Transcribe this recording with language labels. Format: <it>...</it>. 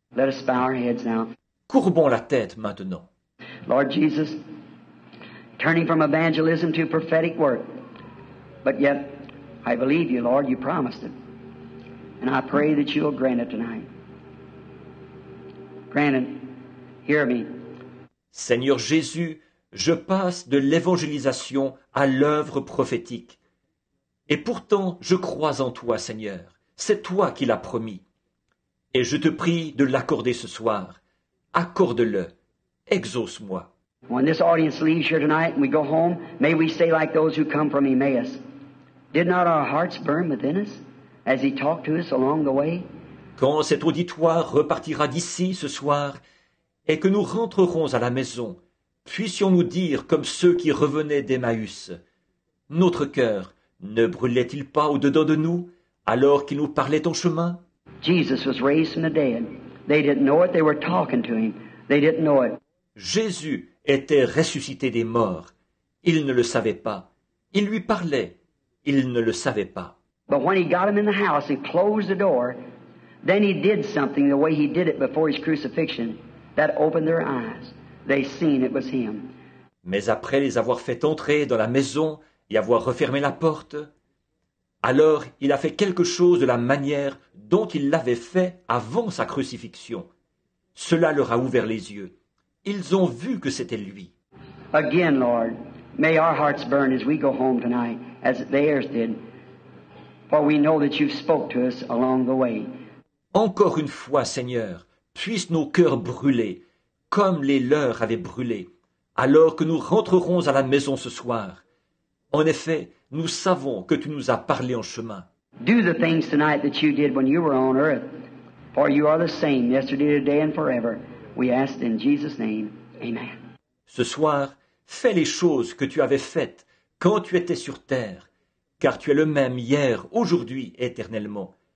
<en>Let us bow our heads now.</en> <fr>Courbons la tête maintenant.</fr> <en>Lord Jesus, turning from evangelism to prophetic work, but yet, I believe you, Lord, you promised it. And I pray that you will grant it tonight. Grant it. Hear me.</en> <fr>Seigneur Jésus, je passe de l'évangélisation à l'œuvre prophétique. Et pourtant, je crois en toi, Seigneur. C'est toi qui l'as promis. Et je te prie de l'accorder ce soir. Accorde-le. Exauce-moi.</fr> <en>When this audience leaves here tonight and we go home, may we say like those who come from Emmaus. Did not our hearts burn within us as he talked to us along the way?</en> <fr>Quand cet auditoire repartira d'ici ce soir et que nous rentrerons à la maison, puissions-nous dire comme ceux qui revenaient d'Emmaüs, notre cœur ne brûlait-il pas au-dedans de nous alors qu'il nous parlait en chemin?</fr> <en>Jesus was raised from the dead. They didn't know it. They were talking to him. They didn't know it.</en> <fr>Jésus était ressuscité des morts. Il ne le savait pas. Il lui parlait. Il ne le savait pas.</fr> <en>But when he got him in the house and closed the door, then he did something the way he did it before his crucifixion that opened their eyes. They seen it was him.</en> <fr>Mais après les avoir fait entrer dans la maison et avoir refermé la porte, alors il a fait quelque chose de la manière dont il l'avait fait avant sa crucifixion. Cela leur a ouvert les yeux. Ils ont vu que c'était lui.</fr> <en>Again, Lord, may our hearts burn as we go home tonight, as theirs did, for we know that you've spoke to us along the way.</en> <fr>Encore une fois, Seigneur, puissent nos cœurs brûler comme les leurs avaient brûlé, alors que nous rentrerons à la maison ce soir. En effet, nous savons que tu nous as parlé en chemin.</fr> <en>Do the things tonight that you did when you were on earth, for you are the same yesterday, today, and forever. We ask in Jesus' name, amen.</en> <fr>Ce soir, fais les choses que tu avais faites quand tu étais sur terre, car tu es le même hier, aujourd'hui, éternellement.</fr>